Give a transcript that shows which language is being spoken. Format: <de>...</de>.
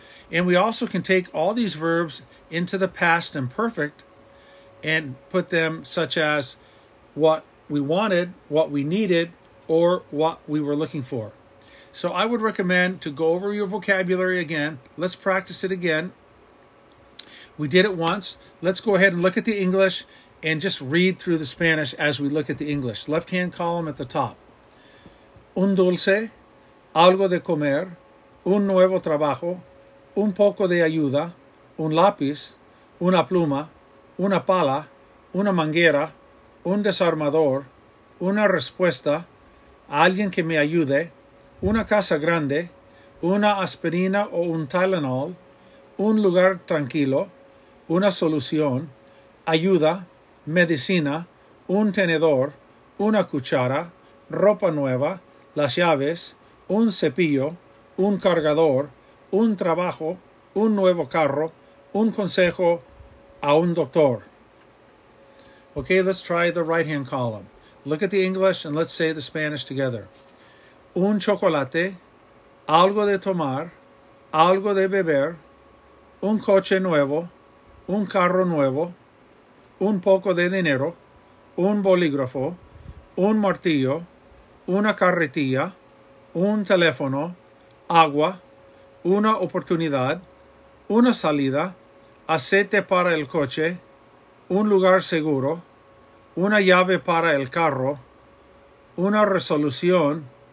<en>And we also can take all these verbs into the past imperfect and put them such as what we wanted, what we needed, or what we were looking for. So I would recommend to go over your vocabulary again. Let's practice it again. We did it once. Let's go ahead and look at the English and just read through the Spanish as we look at the English. Left-hand column at the top.</en> <es>Un dulce, algo de comer, un nuevo trabajo, un poco de ayuda, un lápiz, una pluma, una pala, una manguera, un desarmador, una respuesta, alguien que me ayude, una casa grande, una aspirina o un Tylenol, un lugar tranquilo, una solución, ayuda, medicina, un tenedor, una cuchara, ropa nueva, las llaves, un cepillo, un cargador, un trabajo, un nuevo carro, un consejo a un doctor.</es> <en>Okay, let's try the right-hand column. Look at the English and let's say the Spanish together.</en> <es>Un chocolate, algo de tomar, algo de beber, un coche nuevo, un carro nuevo, un poco de dinero, un bolígrafo, un martillo, una carretilla, un teléfono, agua, una oportunidad, una salida, aceite para el coche, un lugar seguro, una llave para el carro, una resolución,</es>